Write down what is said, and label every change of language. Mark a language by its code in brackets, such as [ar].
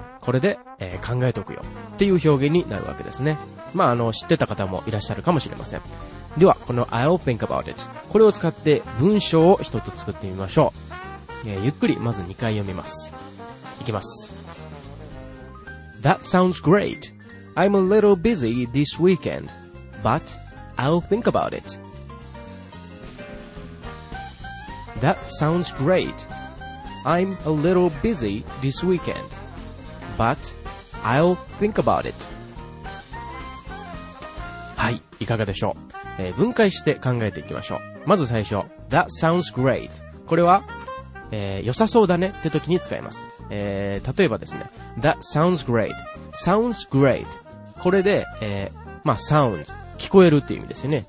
[ja] これで、考えておくよっていう表現になるわけですね。まあ知ってた方もいらっしゃるかもしれません。ではこの [en] I'll think about it、 [ja] これを使って文章を一つ作ってみましょう。ゆっくりまず2回読みます。いきます。 [en] That sounds great. I'm a little busy this weekend, but I'll think about it. That sounds great. I'm a little busy this weekend, but I'll think about it. [ja] はい、いかがでしょう。分解して考えていきましょう。まず最初、 [en] That sounds great. [ja] これは良さそうだねって時に使います。例えばですね、 [en] That sounds great. Sounds great. [ja] これで、sounds 聞こえるっていう意味ですよね。